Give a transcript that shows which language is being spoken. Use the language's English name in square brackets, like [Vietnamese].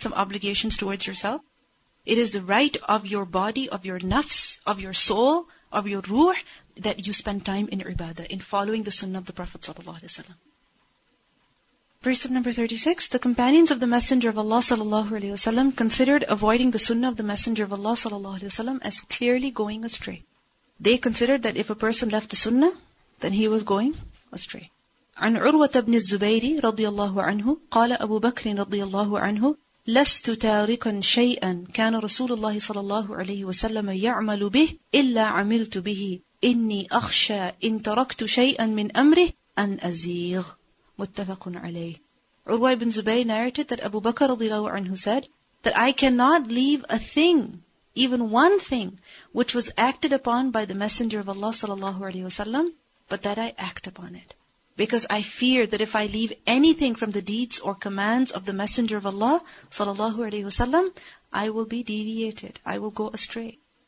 [English] Some obligations towards yourself. It is the right of your body, of your nafs, of your soul, of your ruh, that you spend time in ibadah, in following the sunnah of the Prophet ﷺ. Precept number 36, the companions of the Messenger of Allah ﷺ considered avoiding the sunnah of the Messenger of Allah ﷺ as clearly going astray. They considered that if a person left the sunnah, then he was going astray. [Arabic] عن عروة بن الزبير رضي الله عنه قال أبو بكر رضي الله عنه لست تاركا شيئا كان رسول الله صلى الله عليه وسلم يعمل به إلا عملت به إني أخشى إن تركت شيئا من أمره أن أزيغ متفق عليه. [English] عروة بن الزبير narrated that Abu Bakr رضي الله عنه said that I cannot leave a thing, even one thing, which was acted upon by the Messenger of Allah صلى الله عليه وسلم, but that I act upon it. Because I fear that if I leave anything from the deeds or commands of the Messenger of Allah, sallallahu alayhi wasallam, I will be deviated. I will go astray.